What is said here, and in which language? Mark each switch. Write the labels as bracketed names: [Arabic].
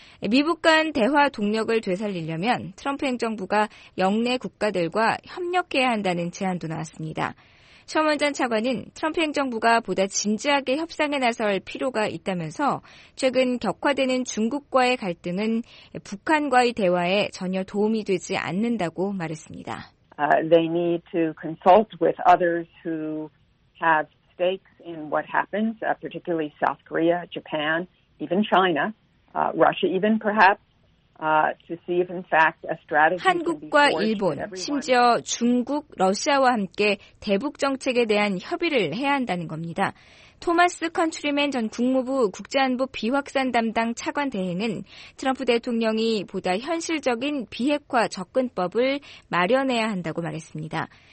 [Korean] 미북 간 대화 동력을 되살리려면 트럼프 행정부가 영내 국가들과 협력해야 한다는 제안도 나왔습니다. 셔먼 전 차관은 트럼프 행정부가 보다 진지하게 협상에 나설 필요가 있다면서 최근 격화되는 중국과의 갈등은 북한과의 대화에 전혀 도움이 되지 않는다고 말했습니다. [English] They need to consult with others who have stakes in what happens, particularly South Korea, Japan, even China. Russia even perhaps to see if in fact a strategy [Korean] 한국과 일본 심지어 중국 러시아와 함께 대북 정책에 대한 협의를 해야 한다는 겁니다. 토마스 컨트리맨 전 국무부 국제안보 비확산 담당 차관 대행은 트럼프 대통령이 보다 현실적인 비핵화 접근법을 마련해야 한다고 말했습니다.